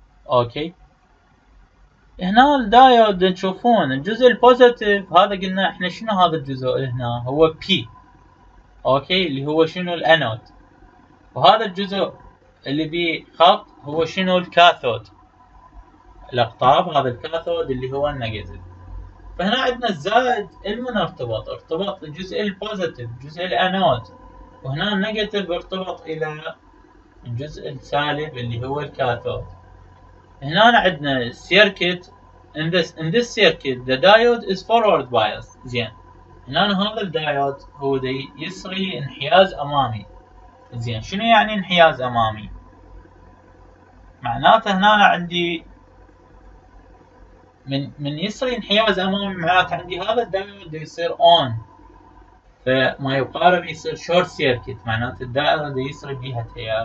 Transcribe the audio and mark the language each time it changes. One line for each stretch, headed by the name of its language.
Arabic: اوكي هنا الدايود نشوفون الجزء البوزيتيف، هذا قلنا احنا شنو هذا الجزء هنا، هو بي اوكي، اللي هو شنو الانود، وهذا الجزء اللي بيه خط هو شنو الكاثود، الاقطاب، هذا الكاثود اللي هو النيجاتيف. فهنا عندنا الزائد المنرتبط، ارتبط الجزء البوزيتيف جزء الانود، وهنا النيجاتيف ارتبط الى الجزء السالب اللي هو الكاثود. هنا عندنا سيركت،
English: in this circuit the diode is forward biased.
Arabic: زين هنا هذا الدايود هو دي يسري انحياز امامي. زين شنو يعني انحياز امامي؟ معناته هنا عندي من يسري انحياز امامي، معناته عندي هذا الدايود يصير اون، فما يقارب يصير شورت سيركت، معناته الدائره دي يسري بيها تيار.